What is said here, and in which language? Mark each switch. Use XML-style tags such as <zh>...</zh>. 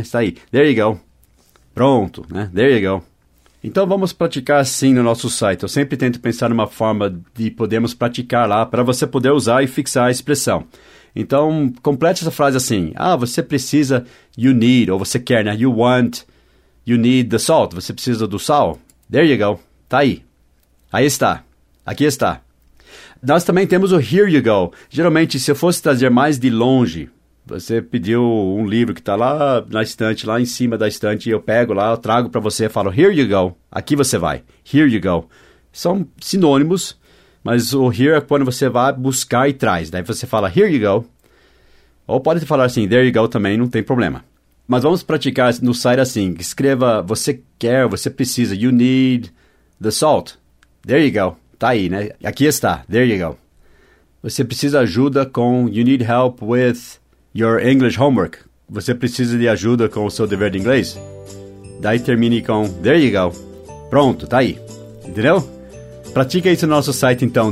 <pt>Está aí.</pt> <en>There you go.</en> <pt>Pronto, né?</pt> <en>There you go.</en> <pt>Então, vamos praticar assim no nosso site. Eu sempre tento pensar numa forma de podermos praticar lá para você poder usar e fixar a expressão. Então, complete essa frase assim. Ah, você precisa,</pt> <en>you need,</en> <pt>ou você quer, né?</pt> <en>You want, you need the salt.</en> <pt>Você precisa do sal.</pt> <en>There you go.</en> <pt>Tá aí. Aí está. Aqui está. Nós também temos o</pt> <en>here you go.</en> <pt>Geralmente, se eu fosse trazer mais de longe, você pediu um livro que está lá na estante, lá em cima da estante, e eu pego lá, eu trago para você e falo, here you go, aqui você vai, here you go. São sinônimos, mas o here é quando você vai buscar e traz. Daí você fala,</pt> <en>here you go.</en> <pt>Ou pode falar assim,</pt> <en>there you go</en> <pt>também, não tem problema. Mas vamos praticar no site assim, escreva, você quer, você precisa,</pt> <en>you need the salt. There you go.</en> <pt>Tá aí, né? Aqui está. There you go. Você precisa ajuda com...</pt> <en>You need help with your English homework.</en> <pt>Você precisa de ajuda com o seu dever de inglês. Daí termine com...</pt> <en>There you go.</en> <pt>Pronto, tá aí. Entendeu? Pratica isso no nosso site, então.</pt>